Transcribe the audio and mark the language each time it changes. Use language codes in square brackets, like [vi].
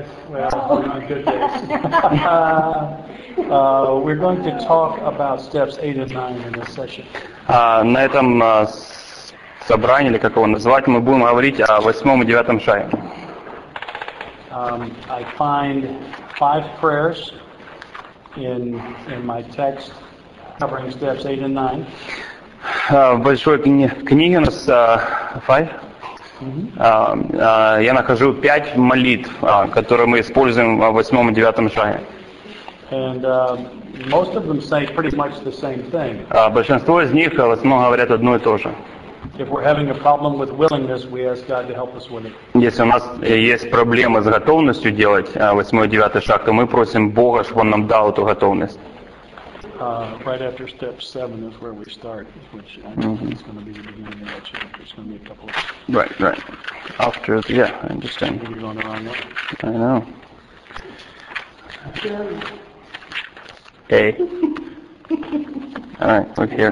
[en] We're going to talk about steps 8 and 9 in this session. [ru] На этом собрании, или как его назвать, мы будем говорить о 8 и 9 шаге. [en] I find 5 prayers in my text covering steps 8 and 9. [ru] В большой книге у нас 5. Я нахожу 5 молитв, которые мы используем в 8 и 9 шаге. [en] And most of them say pretty much the same thing. [ru] Большинство из них в основном говорят одно и то же. [en] If we're having a problem with willingness, we ask God to help us with it. [ru] Если у нас есть проблемы с готовностью делать 8 и 9 шаг, то мы просим Бога, чтобы Он нам дал эту готовность. [en] Right after step 7 is where we start, which I think is going to be the beginning of that chapter. It's going to be a couple of. Right. After, yeah, I understand. Maybe you're going around that. I know. Hey. All right, look here.